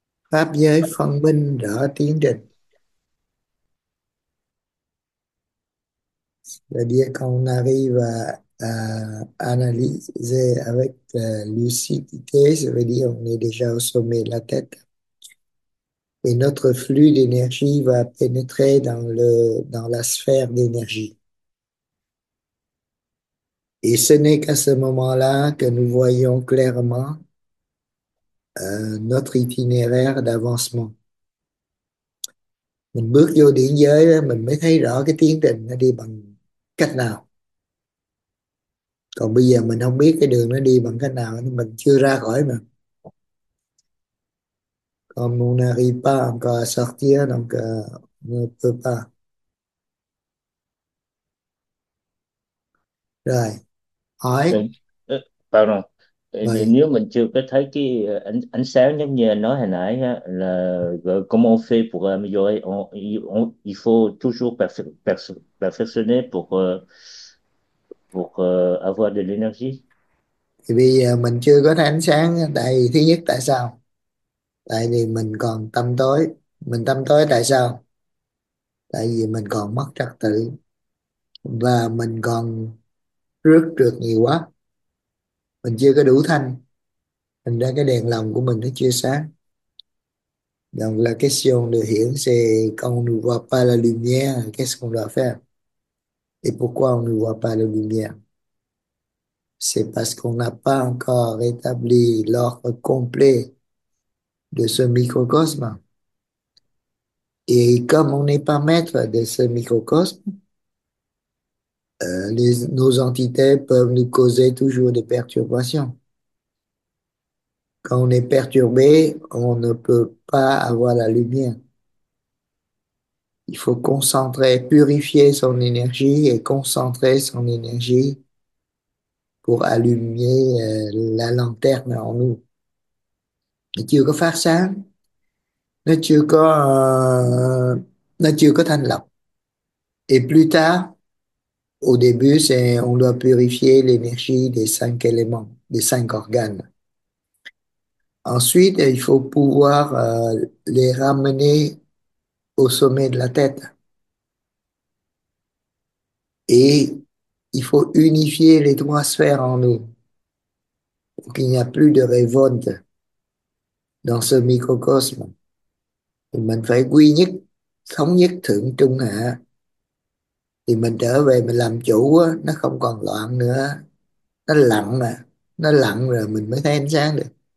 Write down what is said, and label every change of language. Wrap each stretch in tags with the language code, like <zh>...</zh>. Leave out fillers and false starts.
<vi>Pháp giới phân minh rõ tiến trình. Là đi con Nari và</vi> <fr>analyser avec lucidité, ça veut dire on est déjà au sommet de la tête. Et notre flux d'énergie va pénétrer dans la sphère d'énergie. Et ce n'est qu'à ce moment-là que nous voyons clairement notre itinéraire d'avancement.</fr> <vi>Mình bước vô điển giới, mình mới thấy rõ cái tiến trình nó đi bằng cách nào. Còn bây giờ mình không biết cái đường nó đi bằng cách nào, mình chưa ra khỏi mà.</vi> <fr>Comme on n'arrive pas encore à sortir, donc on ne peut pas.</fr> <vi>Rồi, hỏi.</vi> <fr>Pardon.</fr> <vi>Mời. Nếu mình chưa có thấy cái ánh sáng giống như anh nói hồi nãy ha, là</vi> <fr>comment fait pour améliorer, il faut toujours perfectionner pour avoir de l'énergie.</fr> <vi>Thì bây giờ mình chưa có thấy ánh sáng, tại thứ nhất tại sao? Tại vì mình còn tâm tối. Mình tâm tối tại sao? Tại vì mình còn mất trật tự và mình còn rước trượt nhiều quá. Mình chưa có đủ thanh, thành ra cái đèn lồng của mình nó chưa sáng.</vi> <fr>Donc la question de hiển c'est quand on ne voit pas la lumière, qu'est-ce qu'on doit faire? Et pourquoi on ne voit pas la lumière? C'est parce qu'on n'a pas encore rétabli l'ordre complet de ce microcosme. Et comme on n'est pas maître de ce microcosme, nos entités peuvent nous causer toujours des perturbations. Quand on est perturbé, on ne peut pas avoir la lumière. Il faut concentrer, purifier son énergie et concentrer son énergie pour allumer la lanterne en nous.</fr> <vi>Nó chưa có phát sáng, nó chưa có thanh lọc.</vi> <fr>Et plus tard, au début, c'est on doit purifier l'énergie des cinq éléments, des cinq organes. Ensuite, il faut pouvoir les ramener au sommet de la tête. Et il faut unifier les trois sphères en nous pour qu'il n'y a plus de révolte dans ce microcosme.</fr> <vi>Et mình phải quy nhất, thống nhất thượng trung hạ. Thì mình trở về mình làm chủ á, nó không còn loạn nữa. Nó lặng mà. Nó lặng rồi mình mới thấy ánh sáng được.</vi>